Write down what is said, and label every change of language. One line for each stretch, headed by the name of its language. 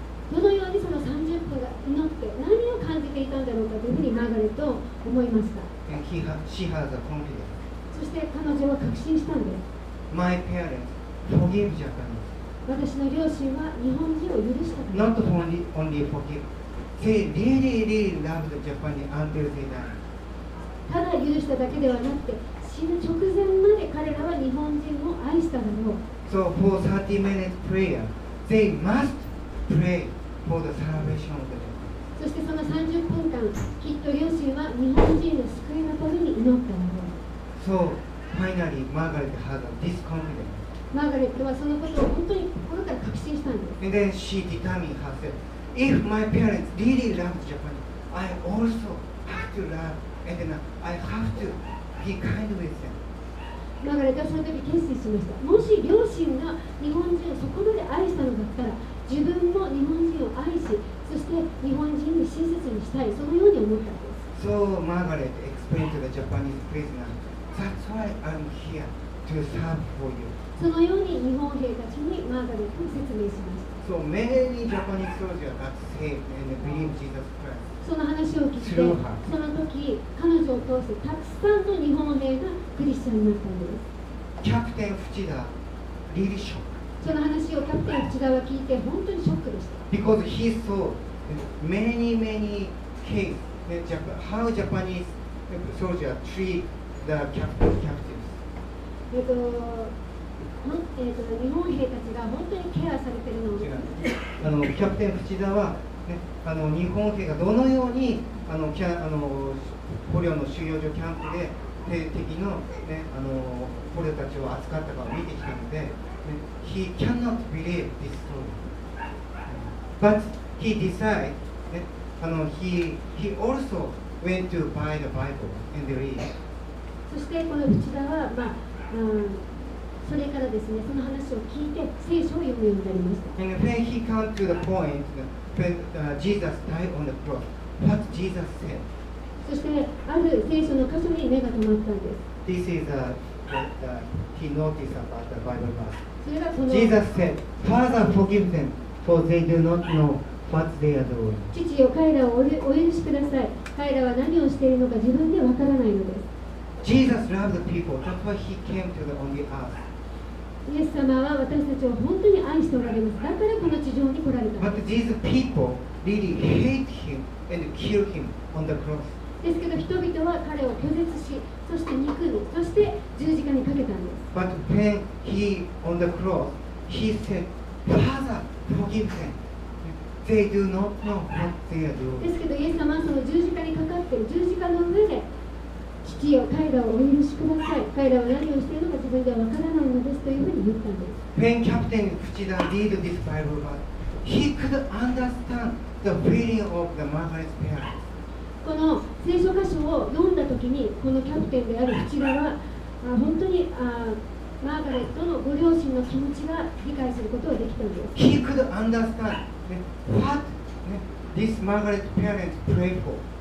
Japanese: どのようにその30分が祈って、何を感じていたんだろうかというふうにマーガレットは思いました。
English: And she has a confidence.
Japanese: そして彼女は確信したんです。
English: My parents forgive Japan.
Japanese: 私の両親は日本人を許したから。
English: Not only, only forgive. They really, really loved the Japanese until they died.
Japanese: ただ許しただけではなくて、死ぬ直前まで彼らは日本人を愛したのよ。
English: So for 30 minutes prayer, they must pray for the salvation of the Japanese.
Japanese: そしてその30分間、きっと両親は日本人の救いのために祈ったのよ。
English: So finally, Margaret had this confidence.
Japanese: マーガレットはそのことを本当に心から確信したんです。
English: And then she determined herself, if my parents really love Japan, I also have to love, and I have to be kind with them.
Japanese: マーガレットはその時決心しました。もし両親が日本人をそこまで愛したのだったら、自分も日本人を愛し、そして日本人に親切にしたい、そのように思ったんです。
English: So Margaret explained to the Japanese prisoner, that's why I'm here to serve for you.
Japanese: そのように日本兵たちにマーガレットを説明しました。
English: So many Japanese soldiers got saved and believed Jesus Christ.
Japanese: その話を聞いて、その時彼女を通してたくさんの日本兵がクリスチャンになったんです。キャプテン淵田、リリショック。その話をキャプテン内田は聞いて本当にショックでした。
English: Because he saw many many case how Japanese soldier treat the captives.
Japanese: 日本兵たちが本当にケアされているのを。あのキャプテン内田は、ね、あの日本兵がどのようにあのキャあの捕虜の収容所キャンプで敵の、ね、あの捕虜たちを扱ったかを見てきたので、ね、
English: He cannot believe this story. But he decided,、ね、あの he also went to buy the Bible and read.
Japanese: そしてこの内田は、まあうん、それからですね、その話を聞いて聖書を読むようになりました。
English: And when he came to the point when Jesus died on the cross, what Jesus said?
Japanese: そしてある聖書の箇所に目が留まったんです。
English: This is a, that he noticed about the Bible verse.
Japanese: それがその
English: Jesus said, Father, forgive them, for they do not know what they are doing.
Japanese: 父よ、彼らをお許しください。彼らは何をしているのか自分でわからないのです。
English: Jesus loved the people. That's why he came to the on the earth.
Japanese: イエス様は私たちを本当に愛しておられます。だからこの地上に来られた。
English: But these people really hate him and kill him on the cross.
Japanese: ですけど人々は彼を拒絶し、そして憎み、そして十字架にかけたんです。
English: But when he on the cross, he said, Father, forgive them. They do not know what they are doing.
Japanese: ですけどイエス様はその十字架にかかって、十字架の上で、父よ、彼らをお許しください。彼らは何をしているのか自分ではわからないのですというふうに言ったんです。
English: When Captain Fuchida read this Bible verse, he could understand the feeling of the motherless parents.
Japanese: この聖書箇所を読んだときに、このキャプテンである内田は、本当にマーガレットのご両親の気持ちが理解することができたんです。
English: He could understand what this Margaret parents prayed for.